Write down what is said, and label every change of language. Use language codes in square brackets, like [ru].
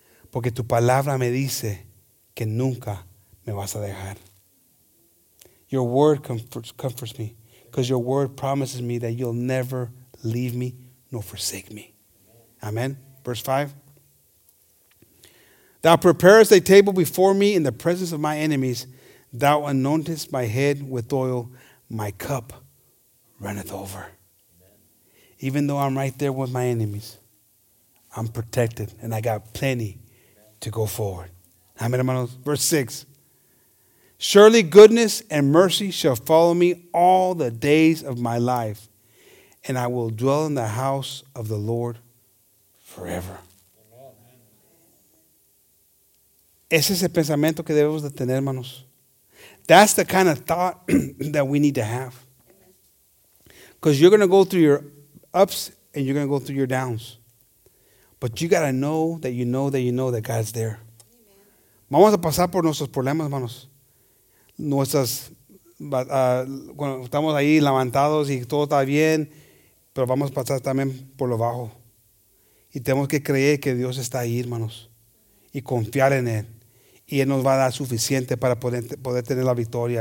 [es] Porque tu palabra me dice que nunca me vas a dejar. [en] Your word comforts me. Because your word promises me that you'll never leave me nor forsake me. Amen. Verse 5. Thou preparest a table before me in the presence of my enemies. Thou anointest my head with oil. My cup runneth over. Even though I'm right there with my enemies, I'm protected, and I got plenty to go forward. Amen, hermanos. Verse 6. Surely goodness and mercy shall follow me all the days of my life, and I will dwell in the house of the Lord forever. Amen. [es] Ese es el pensamiento que debemos de tener, hermanos. [en] That's the kind of thought that we need to have. Because you're going to go through your ups and you're going to go through your downs. But you got to know that you know that you know that God's there. [es] Amen. Vamos a pasar por nuestros problemas, hermanos. Nuestras, cuando estamos ahí levantados y todo está bien, pero vamos a pasar también por lo bajo. Y tenemos que creer que Dios está ahí, hermanos. Y confiar en Él. Y Él nos va a dar suficiente para poder tener la victoria.